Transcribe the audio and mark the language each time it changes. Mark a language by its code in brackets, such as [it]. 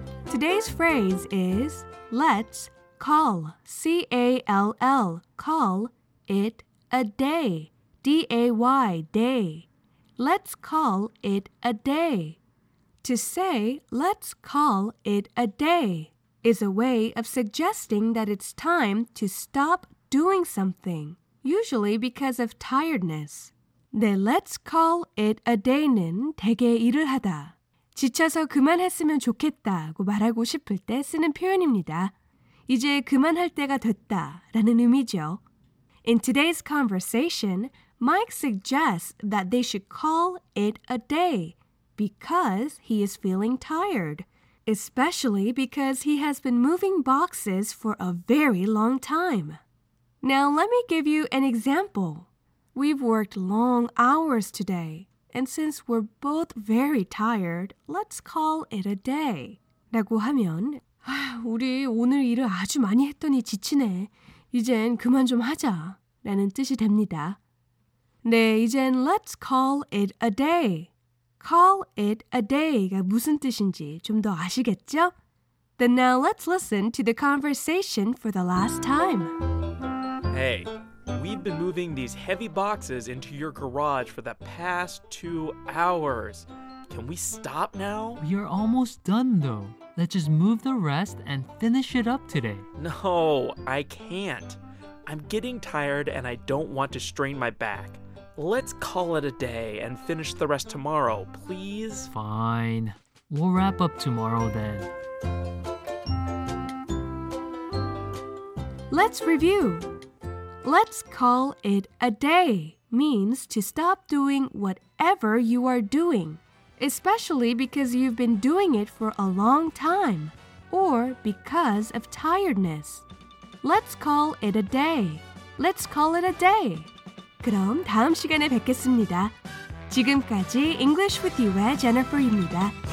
[en] Today's phrase is let's call, C-A-L-L, call it a day, D-A-Y, day. Let's call it a day. To say let's call it a day is a way of suggesting that it's time to stop doing something, usually because of tiredness. [ko] 네, [en] let's call it a day [ko] 는 되게 일을 하다, 지쳐서 그만했으면 좋겠다고 말하고 싶을 때 쓰는 표현입니다. 이제 그만할 때가 됐다라는 의미죠. [en] In today's conversation, Mike suggests that they should call it a day because he is feeling tired, especially because he has been moving boxes for a very long time. Now, let me give you an example. We've worked long hours today, and since we're both very tired, let's call it a day. [ko] 라고 하면, 우리 오늘 일을 아주 많이 했더니 지치네. 이젠 그만 좀 하자. 라는 뜻이 됩니다. 네, 이젠 [en] let's call it a day. Call it a day [ko] 가 무슨 뜻인지 좀 더 아시겠죠? [en] Then now let's listen to the conversation for the last time. Hey, we've been moving these heavy boxes into your garage for the past 2 hours. Can we stop now? We are almost done though. Let's just move the rest and finish it up today. No, I can't. I'm getting tired and I don't want to strain my back. Let's call it a day and finish the rest tomorrow, please? Fine. We'll wrap up tomorrow then. Let's review. Let's call it a day means to stop doing whatever you are doing, especially because you've been doing it for a long time or because of tiredness. Let's call it a day. Let's call it a day. [ko] 그럼 다음 시간에 뵙겠습니다. 지금까지 English with You의 Jennifer입니다.